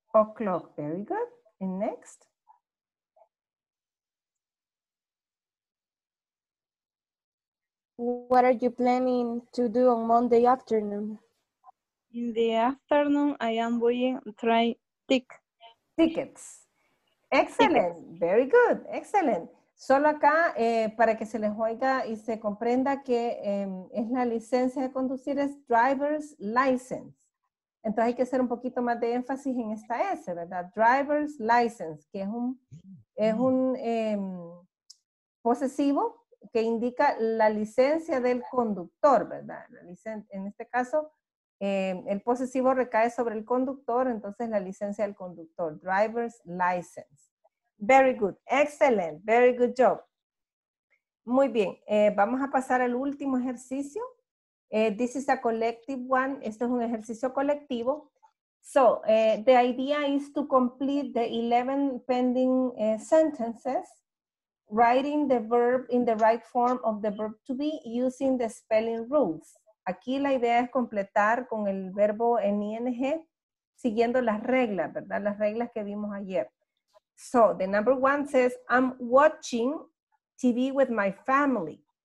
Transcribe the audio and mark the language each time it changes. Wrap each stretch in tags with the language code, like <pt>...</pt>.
<en>O'clock, very good. And next? What are you planning to do on Monday afternoon? In the afternoon, I am going to try tickets. Excellent, very good, excellent.</en> <es>Solo acá, para que se les oiga y se comprenda que es la licencia de conducir, es driver's license. Entonces hay que hacer un poquito más de énfasis en esta S, ¿verdad? Driver's license, que es un posesivo que indica la licencia del conductor, ¿verdad? En este caso, el posesivo recae sobre el conductor, entonces la licencia del conductor, driver's license.</es> <en>Very good. Excellent. Very good job.</en> <es>Muy bien. Vamos a pasar al último ejercicio.</es> <en>This is a collective one.</en> <es>Esto es un ejercicio colectivo.</es> <en>So, the idea is to complete the 11 pending sentences, writing the verb in the right form of the verb to be using the spelling rules.</en> <es>Aquí la idea es completar con el verbo en ing, siguiendo las reglas, ¿verdad? Las reglas que vimos ayer.</es> <en>So, the number one says, I'm watching TV with my family.</en>